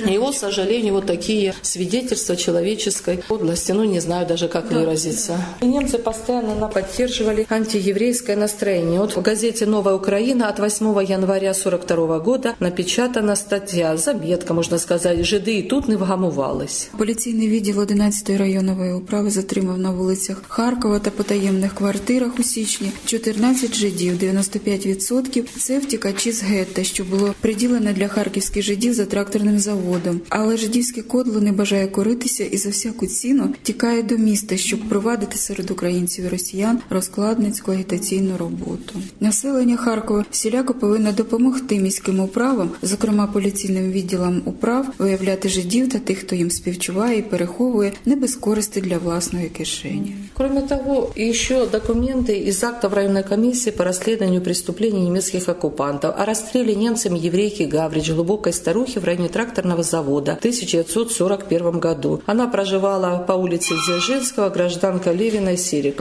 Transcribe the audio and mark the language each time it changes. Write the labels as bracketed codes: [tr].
[ru] И вот, к сожалению, вот такие свидетельства человеческой подлости. Ну, не знаю даже, как выразиться. И немцы постоянно поддерживали антиеврейское настроение. Вот в газете «Новая Украина» от 8 января 1942 года напечатана статья, заметка, можно сказать, «Жиды и тут не вгамувались». [uk] Поліційний відділ 11-ї районної управи затримав на вулицях Харкова та потаємних квартирах у січні 14 жидів, 95% – це втікачі з гетто, що було приділене для харківських жидів за тракторним заводом. Але жидівське кодло не бажає коритися і за всяку ціну тікає до міста, щоб провадити серед українців і росіян розкладницьку агітаційну роботу. Населення Харкова всіляко повинно допомогти міським управам, зокрема поліційним відділам управ, виявляти жидів та тих, хто їм співчуває і переховує, не без користі для власної кишені. [ru] Кроме того, еще документы из актов районной комиссии по расследованию преступлений немецких оккупантов о расстреле немцами еврейки Гаврич, глубокой старухи в районе тракторного завода в 1941 году. Она проживала по улице Дзержинского, гражданка Левина Сирик.